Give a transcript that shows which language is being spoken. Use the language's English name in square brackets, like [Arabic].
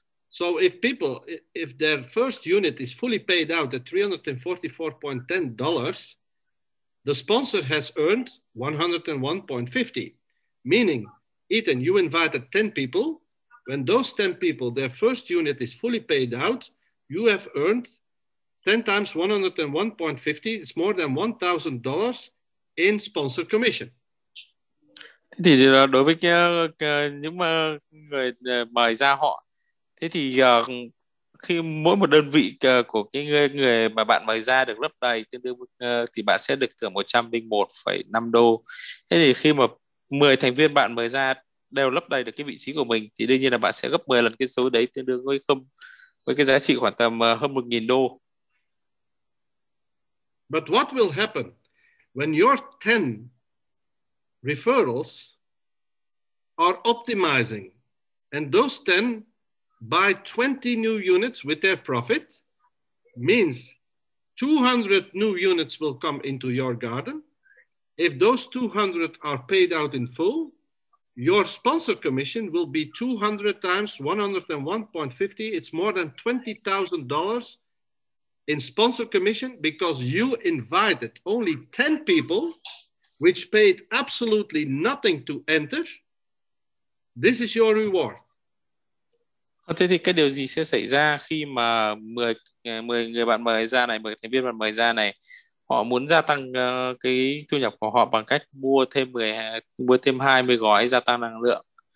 [English] So if their first unit is fully paid out at $344.10, the sponsor has earned $101.50. Meaning, Ethan, you invited 10 people. When those 10 people, their first unit is fully paid out, you have earned 10 times 101.50, it's more than $1,000 in sponsor commission. [Vietnamese] Thì đối với những người mời ra họ, thế thì khi mỗi một đơn vị của cái người mà bạn mời ra được lấp đầy tương đương thì bạn sẽ được thưởng 101,5 đô. Thế thì khi mà 10 thành viên bạn mời ra đều lấp đầy được cái vị trí của mình thì đương nhiên là bạn sẽ gấp 10 lần cái số đấy, tương đương với không với cái giá trị khoảng tầm hơn 1.000 đô. [English] But what will happen when your 10 referrals are optimizing and those 10 buy 20 new units with their profit, means 200 new units will come into your garden. If those 200 are paid out in full, your sponsor commission will be 200 times 101.50. It's more than $20,000 in sponsor commission because you invited only 10 people which paid absolutely nothing to enter. This is your reward. [Vietnamese] Thế thì cái điều gì sẽ xảy ra khi mà 10 người bạn mời ra này, 10 thành viên bạn mời ra này, họ muốn gia tăng cái thu nhập của họ bằng cách mua thêm 20 gói gia tăng năng lượng.